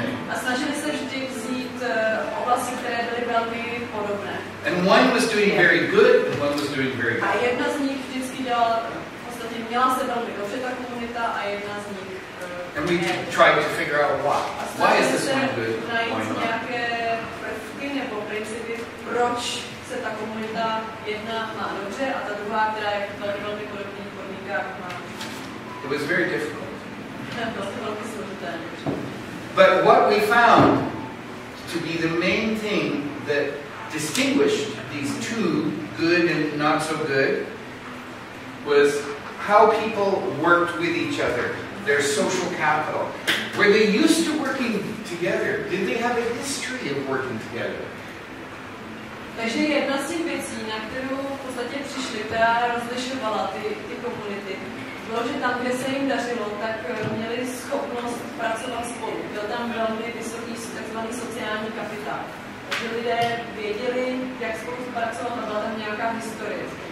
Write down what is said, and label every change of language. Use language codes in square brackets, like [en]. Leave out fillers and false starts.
[cs] A snažili se vždy vzít oblasti, které byly velmi podobné. [en] And one was doing very good, and one was doing very bad. [cs] A jedna z nich vždycky měla se velmi dobře ta komunita, a jedna z nich [en] And we tried to figure out why. Why is this one good? Why not? [cs] Najít nějaké prvky nebo principy, proč ta komunita jedna má dobře a ta druhá, která je v velmi, velmi podobných podmínkách, má [en] It was very difficult. [cs] Bylo to velmi složité. [en] But what we found to be the main thing that distinguished these two, good and not so good, was how people worked with each other, their social capital. Were they used to working together? Did they have a history of working together? [cs] Takže jedna z těch věcí, na kterou v podstatě přišli, která rozlišovala ty komunity, bylo, že tam, kde se jim dařilo, tak měli schopnost pracovat spolu. Byl tam velmi vysoký takzvaný sociální kapitál. Takže lidé věděli, jak spolu pracovat, a byla tam nějaká historie.